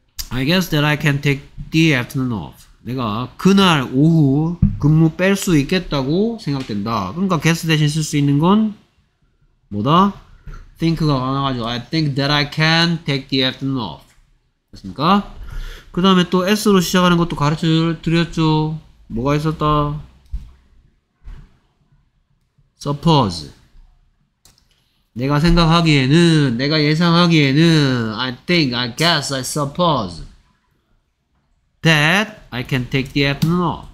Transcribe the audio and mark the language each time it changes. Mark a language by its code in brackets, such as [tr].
[en] I guess that I can take the afternoon off. [ko] 내가 그날 오후 근무 뺄 수 있겠다고 생각된다. 그러니까 guess 대신 쓸 수 있는 건 뭐다? Think가 가능하죠. [en] I think that I can take the afternoon off. [ko] 됐습니까? 그 다음에 또 S로 시작하는 것도 가르쳐 드렸죠. 뭐가 있었다? [en] Suppose. [ko] 내가 생각하기에는, 내가 예상하기에는, [en] I think, I guess, I suppose that I can take the afternoon off.